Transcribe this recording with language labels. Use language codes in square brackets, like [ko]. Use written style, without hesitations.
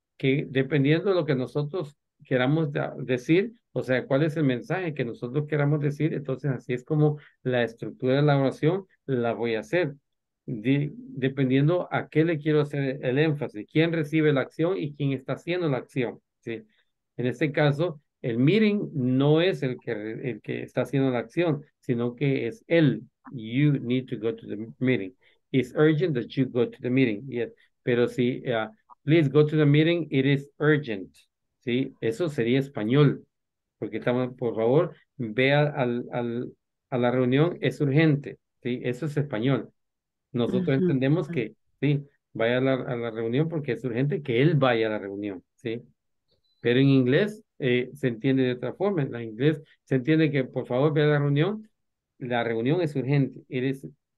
[es] Que dependiendo de lo que nosotros queramos decir, o sea, cuál es el mensaje que nosotros queramos decir, entonces así es como la estructura de la oración la voy a hacer. Dependiendo a qué le quiero hacer el énfasis, quién recibe la acción y quién está haciendo la acción, ¿sí? En este caso, el meeting no es el que está haciendo la acción, sino que es él. [en] You need to go to the meeting. It's urgent that you go to the meeting. Yes. [es] Pero si, [en] please go to the meeting, it is urgent. [es] ¿Sí? Eso sería español. Porque estamos, por favor, vea a la reunión, es urgente. ¿Sí? Eso es español. Nosotros entendemos que sí, vaya a la reunión porque es urgente que él vaya a la reunión, ¿sí? Pero en inglés se entiende de otra forma. En inglés se entiende que por favor ve a la reunión. La reunión es urgente. It is